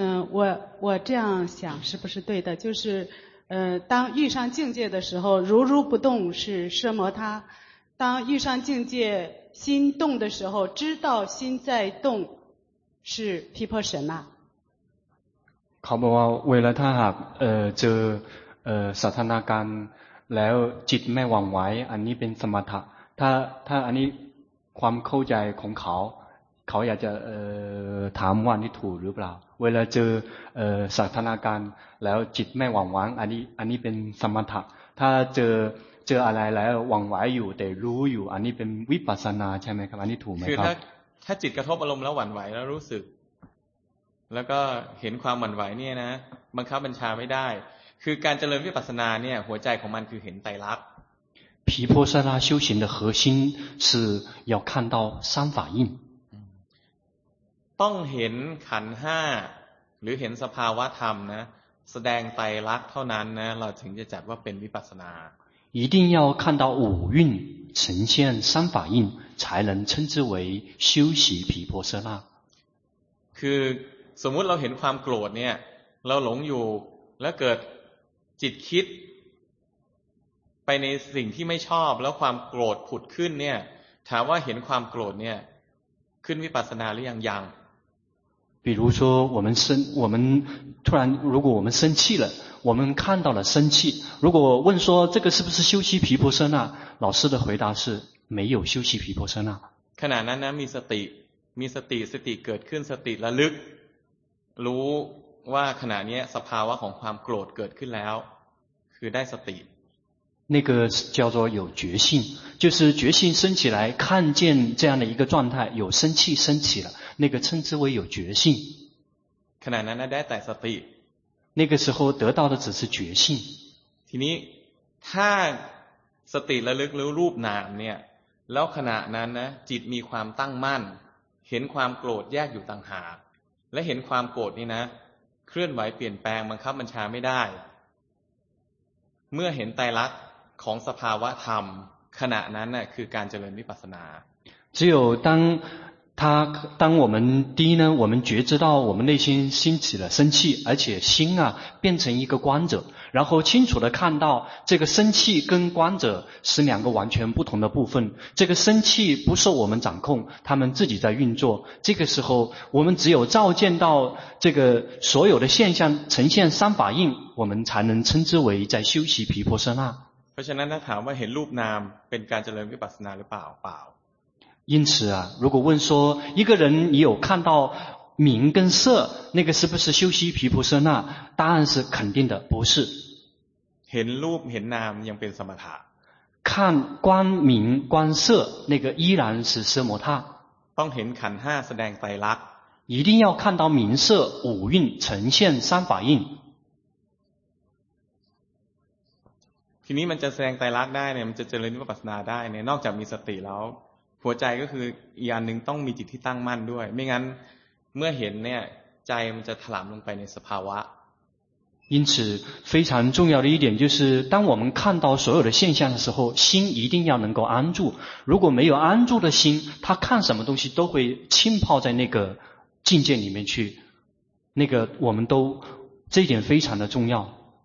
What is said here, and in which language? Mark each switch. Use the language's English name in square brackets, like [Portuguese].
[Chinese] 我这样想是不是对的就是当遇上境界的时候如如不动是奢摩他当遇上境界心动的时候知道心在动是批破神吗？ [Thai] เขาบอกว่าเวลาถ้าหากเจอสถานการณ์แล้วจิตไม่หวั่นไหวอันนี้เป็นสมถะถ้าอันนี้ความเข้าใจของเขาอยากจะถามว่านี่ถูกหรือเปล่าเวลาเจอสถานการณ์แล้วจิตไม่หวั่นไหวอันนี้เป็นสมถะถ้าเจออะไรแล้วหวั่นไหวอยู่แต่รู้อยู่อันนี้เป็นวิปัสสนาใช่ไหมครับอันนี้ถูกไหมครับ คือถ้าจิตกระทบอารมณ์แล้วหวั่นไหวแล้วรู้สึกแล้วก็เห็นความหวั่นไหวเนี่ยนะบังคับบัญชาไม่ได้คือการเจริญวิปัสสนาเนี่ยหัวใจของมันคือเห็นไตรลักษณ์ [Chinese] 毗婆舍那修行的核心是要看到三法印 [Thai] ต้องเห็นขันธ์5หรือเห็นสภาวะธรรมนะแสดงไตรลักษณ์เท่านั้นนะเราถึงจะจัดว่าเป็นวิปัสสนา [Chinese] 一定要看到五蕴呈现三法印才能称之为修习毗婆舍那 [Thai] คือสมมุติเราเห็นความโกรธเนี่ยเราหลงอยู่แล้วเกิดจิตคิดไปในสิ่งที่ไม่ชอบแล้วความโกรธผุดขึ้นเนี่ยถามว่าเห็นความโกรธเนี่ยขึ้นวิปัสสนาหรือยัง [Chinese] 比如说我们突然如果我们生气了我们看到了生气如果问说这个是不是修习毗婆舍那老师的回答是没有修习毗婆舍那 [Thai] ขณะนั้นนะมีสติเกิดขึ้นสติระลึกรู้ว่าขณะนี้สภาวะของความโกรธเกิดขึ้นแล้วคือได้สติ [Chinese] 那个叫做有觉性就是觉性升起来看见这样的一个状态有生气升起了那个称之为有觉性 [Thai] ขณะนั้นได้แต่สติ [Chinese] 那个时候得到的只是觉性 [Thai] ทีนี้ถ้าสติระลึกรู้รูปนามเนี่ยแล้วขณะนั้นนะจิตมีความตั้งมั่นเห็นความโกรธแยกอยู่ต่างหากและเห็นความโกรธนี่นะเคลื่อนไหวเปลี่ยนแปลงบังคับบัญชาไม่ได้เมื่อเห็นไตรลักษณ์ของสภาวะธรรมขณะนั้นน่ะคือการเจริญวิปัสสนา [Chinese] 只有当我们第一呢我们觉知到我们内心兴起了生气而且心啊变成一个观者然后清楚地看到这个生气跟观者是两个完全不同的部分这个生气不受我们掌控他们自己在运作这个时候我们只有照见到这个所有的现象呈现三法印我们才能称之为在修习毗婆舍那 [Thai] เพราะฉะนั้นถ้าถามว่าเห็นรูปนามเป็นการเจริญวิปัสสนาหรือเปล่าเปล่า [Chinese] 因此啊如果问说一个人你有看到名跟色那个是不是修习毗婆舍那答案是肯定的不是 [Thai] เห็นรูปเห็นนามยังเป็นสมถะ [Chinese] 看光明光色那个依然是奢摩他 [Thai] ต้องเห็นขันธ์5แสดงไตรลักษณ์ [Chinese] 一定要看到名色五蕴呈现三法印 [Thai] ทีนี้มันจะแสดงไตรลักษณ์ได้เนี่ยมันจะเจริญวิปัสสนาได้เนี่ยนอกจากมีสติแล้วหัวใจก็คืออีกอันหนึ่งต้องมีจิตที่ตั้งมั่นด้วยไม่งั้นเมื่อเห็นเนี่ยใจมันจะถลำลงไปในสภาวะ [Chinese] 因此非常重要的一点就是当我们看到所有的现象的时候心一定要能够安住如果没有安住的心他看什么东西都会浸泡在那个境界里面去那个我们都这一点非常的重要